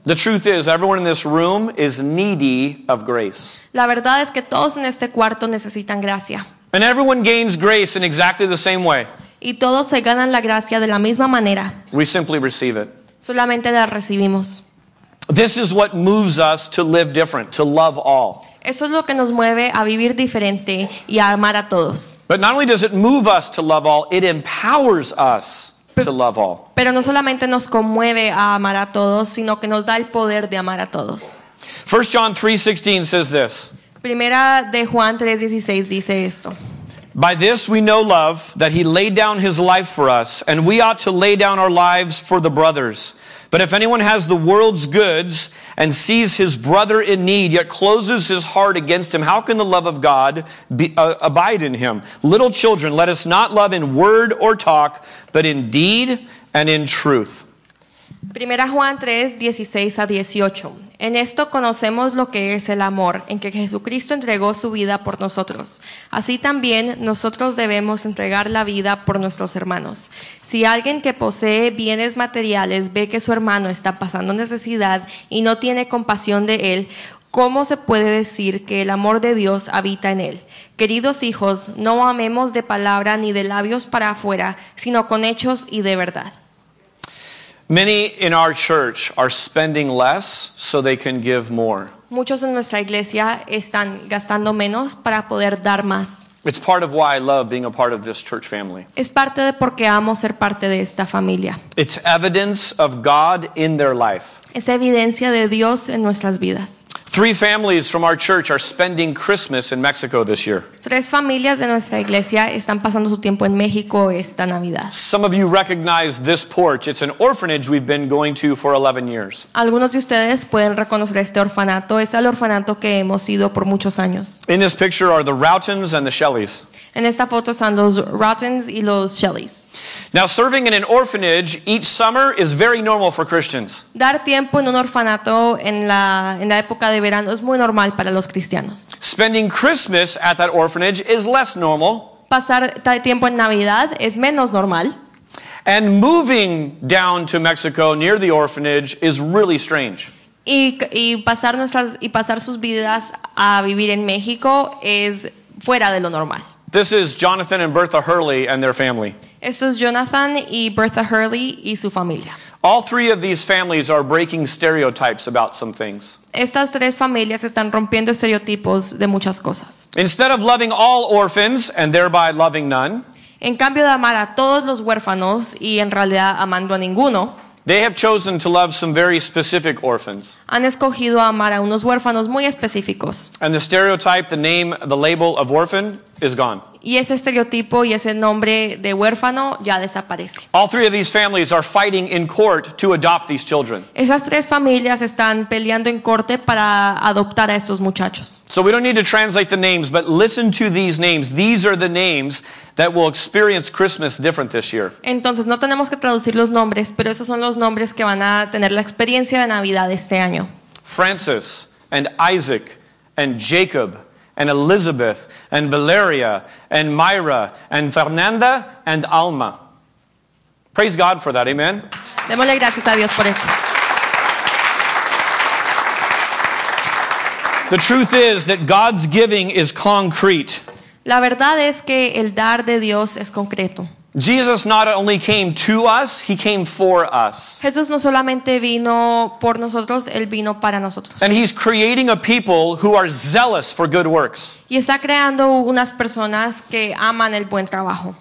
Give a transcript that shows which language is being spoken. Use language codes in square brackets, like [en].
[en] The truth is, everyone in this room is needy of grace. [es] La verdad es que todos en este cuarto necesitan gracia. [en] And everyone gains grace in exactly the same way. [es] Y todos se ganan la gracia de la misma manera. [en] We simply receive it. [es] Solamente la recibimos. [en] This is what moves us to live different, to love all. [es] Eso es lo que nos mueve a vivir diferente y a amar a todos. [en] But not only does it move us to love all, it empowers us to love all. [es] Pero no solamente nos conmueve a amar a todos, sino que nos da el poder de amar a todos. [en] 1 John 3:16 says this. [es] Primera de Juan 3:16 dice esto. [en] By this we know love, that he laid down his life for us, and we ought to lay down our lives for the brothers. But if anyone has the world's goods and sees his brother in need, yet closes his heart against him, how can the love of God abide in him? Little children, let us not love in word or talk, but in deed and in truth. [es] Primera Juan 3:16-18. En esto conocemos lo que es el amor, en que Jesucristo entregó su vida por nosotros. Así también nosotros debemos entregar la vida por nuestros hermanos. Si alguien que posee bienes materiales ve que su hermano está pasando necesidad y no tiene compasión de él, ¿cómo se puede decir que el amor de Dios habita en él? Queridos hijos, no amemos de palabra ni de labios para afuera, sino con hechos y de verdad. [en] Many in our church are spending less so they can give more. [es] Muchos en nuestra iglesia están gastando menos para poder dar más. [en] It's part of why I love being a part of this church family. [es] Es parte de por qué amo ser parte de esta familia. [en] It's evidence of God in their life. [es] Es evidencia de Dios en nuestras vidas. [en] Three families from our church are spending Christmas in Mexico this year. [es] Tres familias de nuestra iglesia están pasando su tiempo en México esta Navidad. [en] Some of you recognize this porch. It's an orphanage we've been going to for 11 years. [es] Algunos de ustedes pueden reconocer este orfanato. Es el orfanato que hemos ido por muchos años. [en] In this picture are the Routons and the Shelleys. [es] En esta foto están los Routons y los Shelleys. [en] Now, serving in an orphanage each summer is very normal for Christians. [es] Dar tiempo en un orfanato en la época de verano es muy normal para los cristianos. [en] Spending Christmas at that orphanage is less normal. [es] Pasar tiempo en Navidad es menos normal. [en] And moving down to Mexico near the orphanage is really strange. [es] Y pasar sus vidas a vivir en México es fuera de lo normal. [en] This is Jonathan and Bertha Hurley and their family. [es] Esto es Jonathan y Bertha Hurley y su familia. [en] All three of these families are breaking stereotypes about some things. [es] Estas tres familias están rompiendo estereotipos de muchas cosas. [en] Instead of loving all orphans and thereby loving none, [es] en cambio de amar a todos los huérfanos y en realidad amando a ninguno, [en] they have chosen to love some very specific orphans. [es] Han escogido amar a unos huérfanos muy específicos. [en] And the stereotype, the name, the label of orphan is gone. [es] Y ese estereotipo y ese nombre de huérfano ya desaparece. [en] All three of these families are fighting in court to adopt these children. [es] Esas tres familias están peleando en corte para adoptar a estos muchachos. [en] So we don't need to translate the names, but listen to these names. These are the names that will experience Christmas different this year. [es] Entonces no tenemos que traducir los nombres, pero esos son los nombres que van a tener la experiencia de Navidad este año. [en] Francis and Isaac and Jacob and Elizabeth and Valeria and Myra and Fernanda and Alma. Praise God for that. Amen. [es] Démosle gracias a Dios por eso. [en] The truth is that God's giving is concrete. [es] La verdad es que el dar de Dios es concreto. [en] Jesus not only came to us, he came for us. [es] Jesús no solamente vino por nosotros, él vino para nosotros. [en] And he's creating a people who are zealous for good works. [es] Y está creando unas personas que aman el buen trabajo.